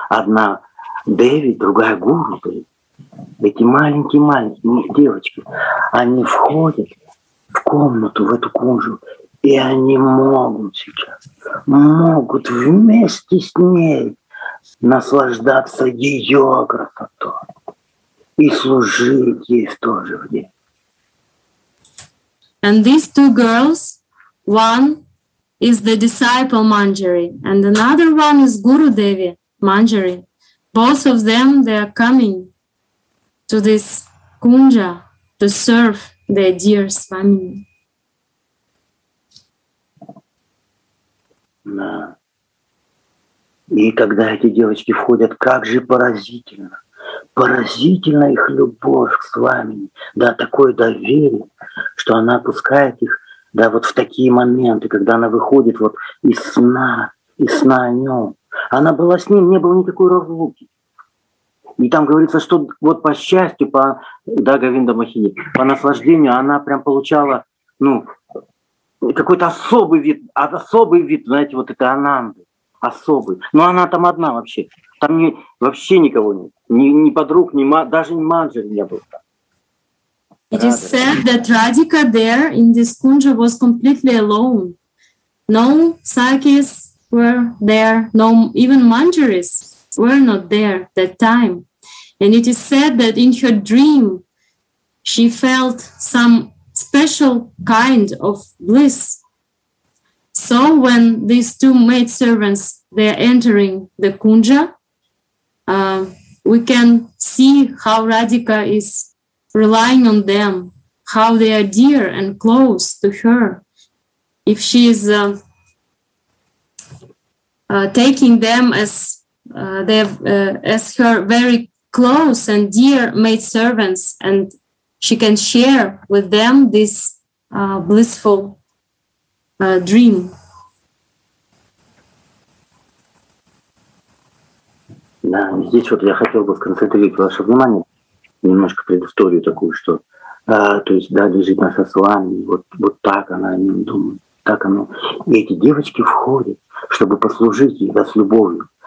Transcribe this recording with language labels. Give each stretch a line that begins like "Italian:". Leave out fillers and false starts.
Russian: Одна Деви, другая Гуру. Эти маленькие девочки, они входят в комнату, в эту кунжу, и они могут вместе с ней наслаждаться ее красотой и служить ей в то же время.
English: And these two girls, one is the disciple Manjari, and another one is Guru Devi Manjari. Both of them, they are coming to this kunja, to serve the dear Swami.
Russian: Да. И когда эти девочки входят, как же поразительно. Поразительна их любовь к Свами. Да, такое доверие, что она пускает их, да, вот в такие моменты, когда она выходит вот из сна о нем. Она была с ним, не было никакой разлуки. И там говорится, что вот по счастью, по, да, Говинда Махини, по наслаждению она прям получала, ну, какой-то особый вид, знаете, вот этой Ананды, особый. Но она там одна вообще, там не, вообще никого нет, ни подруг, ни даже ни Манджари не было.
English: It is said that Radhika there in this kunja was completely alone. No sakis were there, no even Manjaris were not there that time. And it is said that in her dream, she felt some special kind of bliss. So when these two maidservants, they are entering the kunja, we can see how Radhika is relying on them, how they are dear and close to her. If she is taking them as her very close and dear maidservants, and she can share with them this blissful dream.
Russian: Да, здесь вот я хотел бы сконцентрировать ваше внимание, немножко предысторию такую, что, то есть, да, лежит наша с вами, вот так она о нем думает, так она. И эти девочки входят, чтобы послужить ей, да, с любовью.